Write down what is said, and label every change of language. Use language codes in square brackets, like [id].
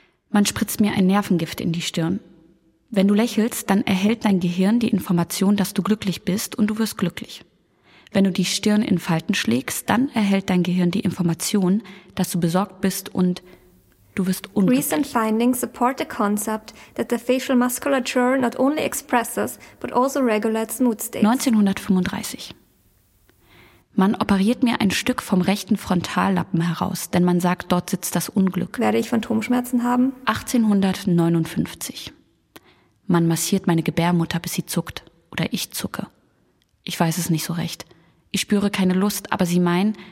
[de] Man spritzt mir ein Nervengift in die Stirn. Wenn du lächelst, dann erhält dein Gehirn die Information, dass du glücklich bist und du wirst glücklich. Wenn du die Stirn in Falten schlägst, dann erhält dein Gehirn die Information, dass du besorgt bist und du wirst unglücklich. [en] Recent findings support the concept that the facial musculature not only expresses, but also regulates mood states. [de] 1935. Man operiert mir ein Stück vom rechten Frontallappen heraus, denn man sagt, dort sitzt das Unglück. Werde ich Phantomschmerzen haben? 1859. Man massiert meine Gebärmutter, bis sie zuckt. Oder ich zucke. Ich weiß es nicht so recht. Ich spüre keine Lust, aber sie meinen,